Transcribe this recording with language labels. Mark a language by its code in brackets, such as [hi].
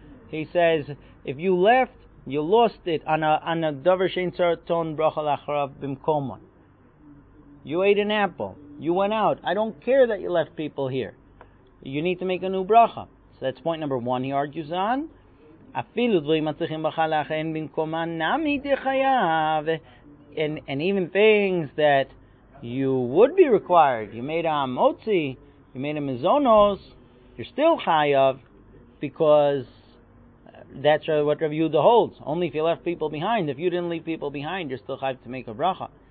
[en] He says, if you left, you lost it on a [he] davar shein tzaraton bracha lacharav bimkomon. [en] You ate an apple. You went out. I don't care that you left people here. You need to make a new bracha. So that's point number one he argues on. [he] אפילו דברים מצריכים ברכה לאחרין במקומן נמי דחייב. [en] And even things that you would be required, you made a motzi, you made a mezonos, you're still chayav, because that's what Rav Yehuda holds. Only if you left people behind. If you didn't leave people behind, you're still chayav to make a bracha.